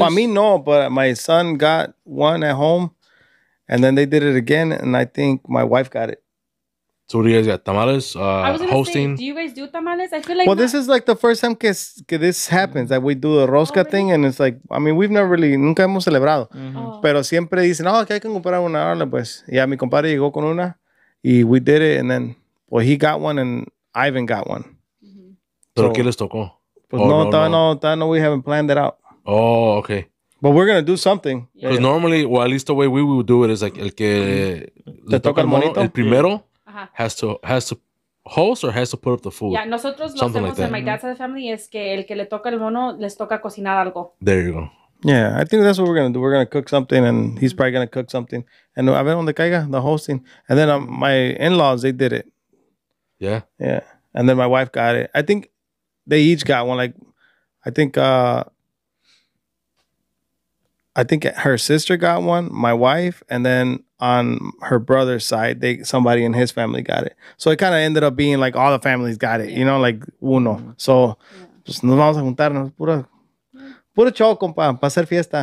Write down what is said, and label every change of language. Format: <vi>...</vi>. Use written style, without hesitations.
<en>Well, I mean, no, but my son got one at home, and then they did it again, and I think my wife got it. So what do you guys got? Tamales? Hosting? Say, do you guys do tamales? I feel like This is like the first time que this happens, that we do the rosca thing, and it's like, I mean, we've never really,</en> <es>nunca hemos celebrado. Pero siempre dicen, que hay que comprar una, ahora, pues.</es> <en>Yeah,</en> <es>mi compadre llegó con una, y</es> <en>we did it, and then, well, he got one, and Ivan got one.</en> <es>¿Pero qué les tocó? Pues no,</es> <en>we haven't planned it out. Oh, okay. But we're going to do something. Because normally, well, at least the way we would do it is like,</en> <es>el que le toca el monito, el primero</es> <en>has to host or has to put up the food.</en> <es>Yeah, nosotros lo hacemos like en</es> <en>my dad's family</en> <es>es que el que le toca el mono les toca cocinar algo.</es> <en>There you go. Yeah, I think that's what we're going to do. We're going to cook something and he's probably going to cook something. And</en> <es>a ver donde caiga,</es> <en>the hosting. And then my in-laws, they did it. Yeah? Yeah. And then my wife got it. I think they each got one. Like, I think her sister got one, my wife, and then on her brother's side, somebody in his family got it. So it kind of ended up being like all the families got it, you know, like uno.</en> <es>So, pues nos vamos a juntarnos, puro show, compa, para hacer fiesta.</es>